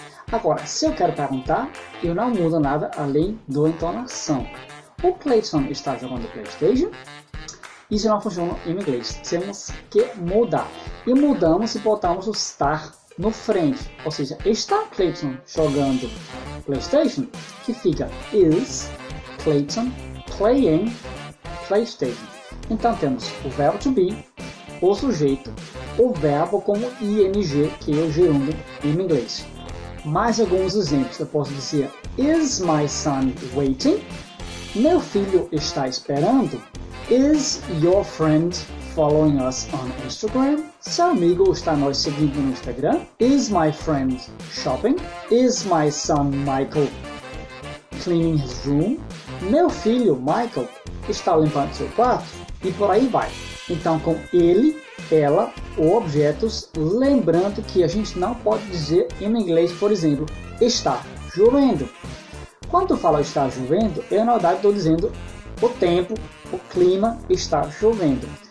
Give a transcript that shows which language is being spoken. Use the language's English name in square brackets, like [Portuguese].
[Portuguese] Agora, se eu quero perguntar, eu não mudo nada além da entonação. O Clayton está jogando PlayStation? Isso não funciona em inglês. Temos que mudar. E mudamos e botamos o estar no frente. Ou seja, está Clayton jogando PlayStation? Que fica [English] is Clayton playing PlayStation. [Portuguese] Então temos o verbo to be, o sujeito, o verbo como ing, que é o gerúndio em inglês. Mais alguns exemplos. Eu posso dizer: [English] Is my son waiting? [Portuguese] Meu filho está esperando? [English] Is your friend following us on Instagram? [Portuguese] Seu amigo está nos seguindo no Instagram? [English] Is my friend shopping? Is my son Michael cleaning his room? [Portuguese] Meu filho, Michael, está limpando seu quarto? E por aí vai. Então, com ele, ela, ou objetos, lembrando que a gente não pode dizer em inglês, por exemplo, está chovendo. Quando eu falo está chovendo, eu na verdade estou dizendo o tempo, o clima está chovendo.